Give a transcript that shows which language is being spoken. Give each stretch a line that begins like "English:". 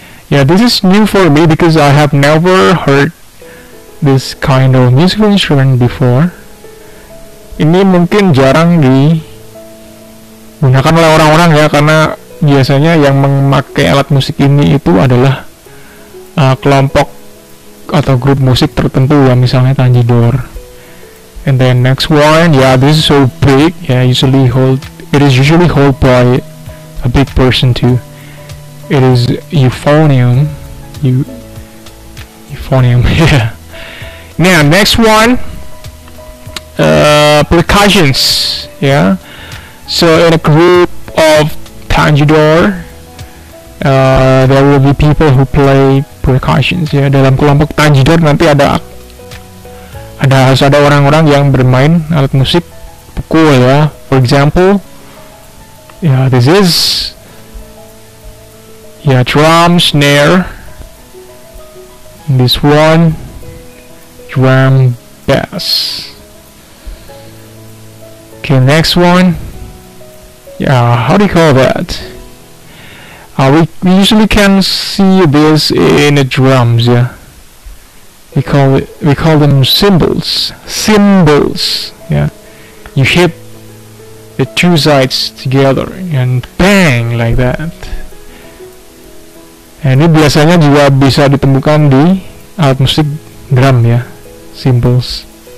English: Yeah, this is new for me because I have never heard this kind of musical instrument before.
Indonesian: Ini mungkin jarang digunakan oleh orang-orang ya, karena biasanya yang memakai alat musik ini itu adalah kelompok atau grup musik tertentu ya, misalnya Tanjidor.
English: And then next one, yeah, this is so big. Yeah, it is usually held by a big person too. It is euphonium. Yeah. Now next one, percussions. Yeah. So in a group of Tanjidor, there will be people who play percussions. Yeah.
Indonesian: Dalam kelompok Tanjidor nanti ada orang-orang yang bermain alat musik pukul ya.
English: For example, yeah, this is. Yeah, drum, snare, this one, drum, bass. Okay, next one. Yeah, how do you call that? We usually can see this in the drums. Yeah, we call them cymbals. Cymbals. Yeah, you hit the two sides together and bang like that.
Indonesian: Ini biasanya juga bisa ditemukan di alat musik drum ya, cymbals.